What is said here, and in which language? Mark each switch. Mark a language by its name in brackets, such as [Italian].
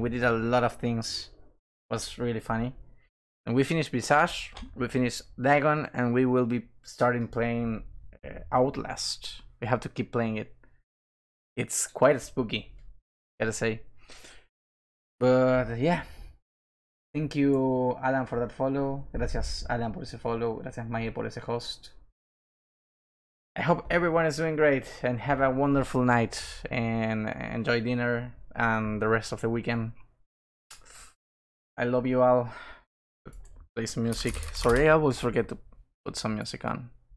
[English] We did a lot of things. It was really funny. And we finished Visage, we finished Dagon, and we will be starting playing Outlast. We have to keep playing it. It's quite spooky, gotta say. But yeah. Thank you, Alan, for that follow. [Spanish] Gracias, Alan, por ese follow. Gracias, Maya, por ese host. [English] I hope everyone is doing great and have a wonderful night and enjoy dinner and the rest of the weekend. I love you all. Play some music. Sorry, I always forget to put some music on.